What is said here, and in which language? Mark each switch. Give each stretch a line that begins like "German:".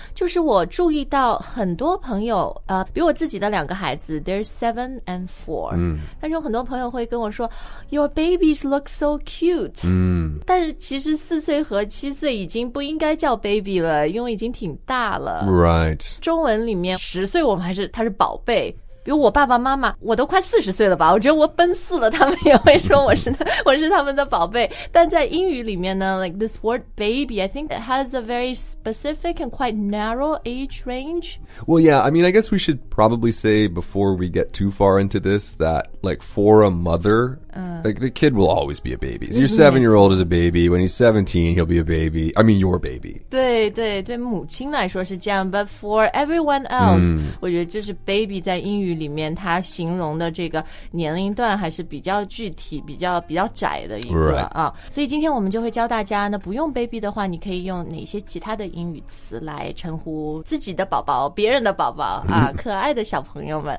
Chinese: 就是我注意到很多朋友比我自己的两个孩子
English: they're 7 and 4、
Chinese: 但是有很多朋友会跟我说
English: your babies look so cute、
Chinese: 但是其实四岁和七岁已经不应该叫 baby 了，因为已经挺大了。
English: Right.
Chinese: 中文里面十岁我们还是他是宝贝，比如我爸爸妈妈，我都快40岁了吧，我觉得我奔四了，他们也会说我是他们的宝贝。但在英语里面呢
English: like this word baby, I think it has a very specific and quite narrow age range. Well, yeah, I mean, I guess we should probably say before we get too far into this that like for a mother,like the kid will always be a baby. So your 7-year-old is a baby. When he's 17, he'll be a baby. I mean, your baby.
Chinese: 对对对，母亲来说是这样。
English: But for everyone else,
Chinese: 我觉得就是 baby 在英语里面它形容的这个年龄段还是比较具体，比较窄的一个、
English: right. 啊。
Chinese: 所以今天我们就会教大家，那不用 baby 的话，你可以用哪些其他的英语词来称呼自己的宝宝、别人的宝宝啊，可爱的小朋友们。